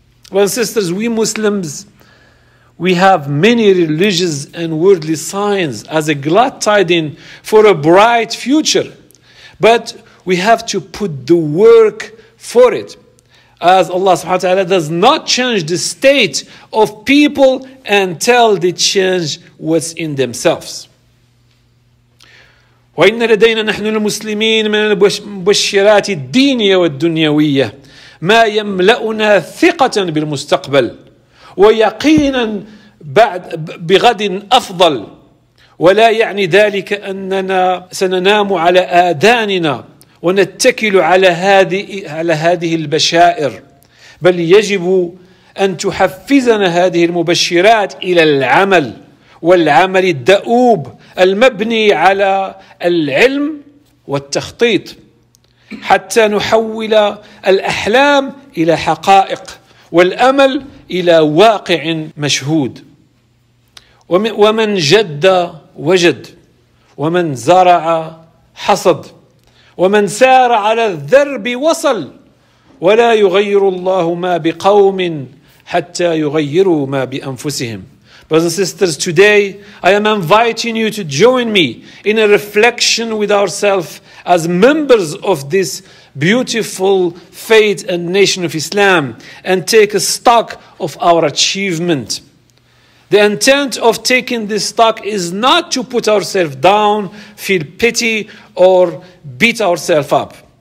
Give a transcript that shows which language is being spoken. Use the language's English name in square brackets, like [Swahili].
[English] Well, sisters, we Muslims, we have many religious and worldly signs as a glad tidings for a bright future. But we have to put the work for it. As Allah subhanahu wa ta'ala does not change the state of people until they change what's in themselves. [Arabic] وإن لدينا نحن المسلمين من المبشرات الدينية والدنيوية ما يملأنا ثقة بالمستقبل ويقينا بعد بغد أفضل ولا يعني ذلك أننا سننام على آذاننا ونتكل على هذه البشائر بل يجب أن تحفزنا هذه المبشرات إلى العمل والعمل الدؤوب المبني على العلم والتخطيط حتى نحول الأحلام إلى حقائق والأمل إلى واقع مشهود ومن جد وجد ومن زرع حصد ومن سار على الذرب وصل ولا يغير الله ما بقوم حتى يغيروا ما بأنفسهم. [English] Brothers and sisters, today I am inviting you to join me in a reflection with ourselves as members of this beautiful faith and nation of Islam and take a stock of our achievement. The intent of taking this stock is not to put ourselves down, feel pity, or beat ourselves up.